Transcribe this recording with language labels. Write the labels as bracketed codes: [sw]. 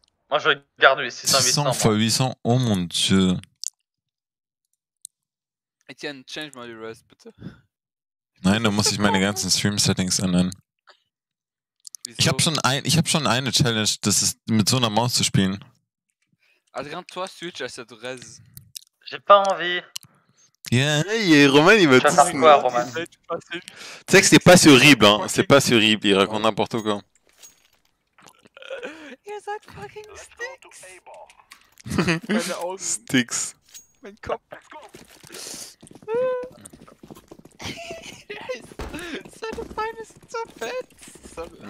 [fr] Moi je garde les 600-800. 600 x 800, oh mon dieu! [en] Etienne, change my rest, [de] bitte. Nein, da muss ich meine ganzen Stream-Settings ändern. Wieso? Ich hab schon eine Challenge, das ist mit so einer Maus zu spielen. [fr] Adrien, toi switch à cette res. J'ai pas envie. [en] Yeah, hey, Roman, [fr] il va tout faire. Quoi, Roman? Tu sais que c'est pas si horrible, hein. C'est pas si horrible, il raconte n'importe quoi. [de] Ihr sagt fucking Sticks. [en] Sticks. [de] Mein Kopf. [en] Let's go. [de] Seine Beine sind so fett.